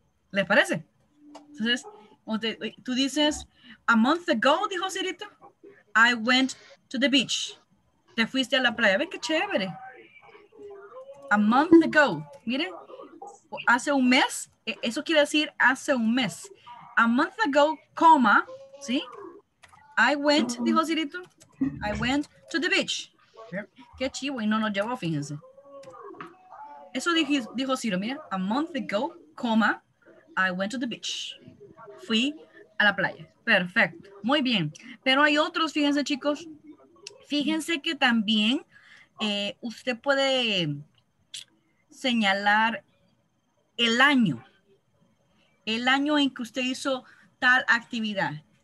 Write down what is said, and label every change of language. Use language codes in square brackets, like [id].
[es] ¿Les parece? Entonces, tú dices, [en] a month ago, [es] dijo Cirito, [en] I went to the beach. [es] Te fuiste a la playa. ¿Ve qué chévere? [en] A month ago. [es] Mire, hace un mes. Eso quiere decir hace un mes. [en] A month ago, coma, ¿sí? I went, [es] dijo Cirito, [en] I went to the beach. [es] Qué chivo, y no nos llevó, fíjense. Eso dijo Ciro, mira, [en] a month ago, [es] coma, [en] I went to the beach. [es] Fui a la playa. Perfecto, muy bien. Pero hay otros, fíjense, chicos. Fíjense que también usted puede señalar el año en que usted hizo tal actividad.